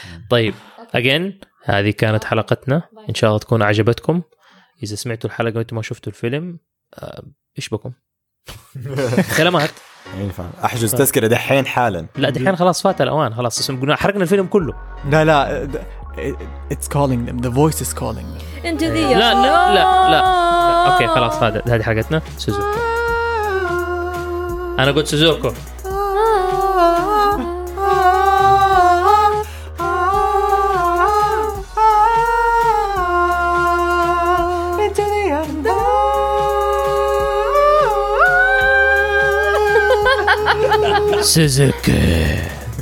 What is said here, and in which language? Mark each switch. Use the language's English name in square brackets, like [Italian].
[Arabic] طيب again هذه كانت حلقتنا إن شاء الله تكون عجبتكم إذا سمعتوا الحلقة وإنتوا ما شفتوا الفيلم إيش بكم خلامات أحجز تذكرة دحين حالا لا دحين خلاص فات الأوان خلاص قلنا حرقنا الفيلم كله لا لا [English] it's calling them the voice is calling them into the yeah. [Arabic] لا لا لا اوكي خلاص هذه حلقتنا سوزوكو انا قلت سوزوكو سوزوكو